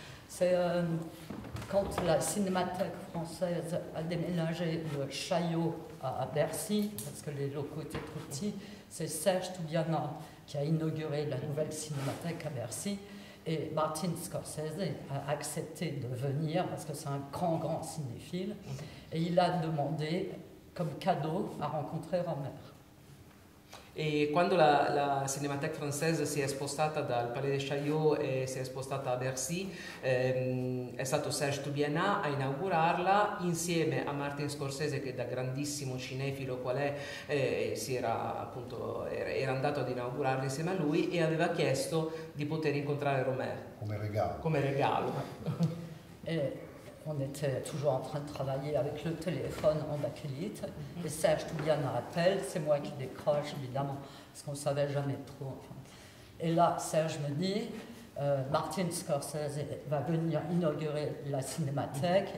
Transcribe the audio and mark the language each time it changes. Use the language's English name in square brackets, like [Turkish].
[French] C'est quand la Cinémathèque française a déménagé de Chaillot à Bercy, parce que les locaux étaient trop petits, c'est Serge Toubiana qui a inauguré la nouvelle Cinémathèque à Bercy, et Martin Scorsese a accepté de venir, parce que c'est un grand, grand cinéphile, et il a demandé, comme cadeau, à rencontrer Romère. [Italian] E quando la Cinémathèque française si è spostata dal Palais de Chaillot e si è spostata a Bercy, è stato Serge Toubiana a inaugurarla insieme a Martin Scorsese, che da grandissimo cinefilo qual è, si era appunto era andato ad inaugurarla insieme a lui e aveva chiesto di poter incontrare Romère come regalo. [French] On était toujours en train de travailler avec le téléphone en bakélite. Et Serge Toubiana appelle, c'est moi qui décroche évidemment, parce qu'on ne savait jamais trop. Enfin. Et là, Serge me dit, Martin Scorsese va venir inaugurer la Cinémathèque.